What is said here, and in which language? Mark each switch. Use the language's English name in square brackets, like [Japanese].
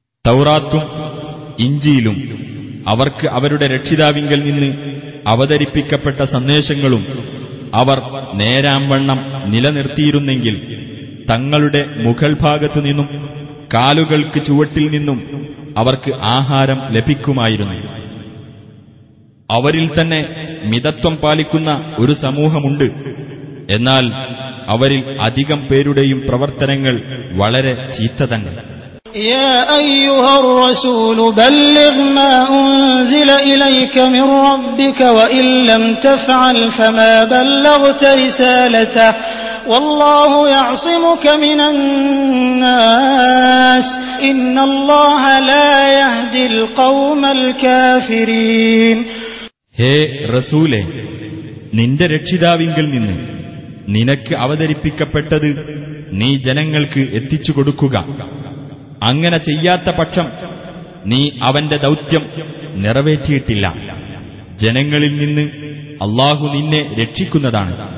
[Malayalam] തൗറാത്തും ഇഞ്ചിയിലും അവർക്ക് അവരുടെ രക്ഷിതാവിങ്കിൽ നിന്ന് അവതരിപ്പിക്കപ്പെട്ട സന്ദേശങ്ങളും അവർ നേരാംവണ്ണം നിലനിർത്തിയിരുന്നെങ്കിൽ തങ്ങളുടെ മുഖൽ ഭാഗത്തു നിന്നും കാലുകൾക്ക് ചുവട്ടിൽ നിന്നും അവർക്ക് ആഹാരം ലഭിക്കുമായിരുന്നു. അവരിൽ തന്നെ മിതത്വം പാലിക്കുന്ന ഒരു സമൂഹമുണ്ട്. എന്നാൽ അവരിൽ അധികം പേരുടെയും പ്രവർത്തനങ്ങൾ വളരെ ചീത്ത തന്നെ. [Arabic] يا ايها الرسول بلغ ما انزل اليك من ربك وان لم تفعل فما بلغت رسالته والله يعصمك من الناس ان الله لا يهدي القوم الكافرين هي رسوله [Malayalam] നിന്റെ രക്ഷിതാവിങ്കിൽ നിന്ന് നിനക്ക് അവതരിപ്പിക്കപ്പെട്ടതു നീ ജനങ്ങൾക്ക് എത്തിച്ചു കൊടുക്കുക. അങ്ങനെ ചെയ്യാത്ത പക്ഷം നീ അവന്റെ ദൗത്യം നിറവേറ്റിയിട്ടില്ല. ജനങ്ങളിൽ നിന്ന് അല്ലാഹു നിന്നെ രക്ഷിക്കുന്നതാണ്.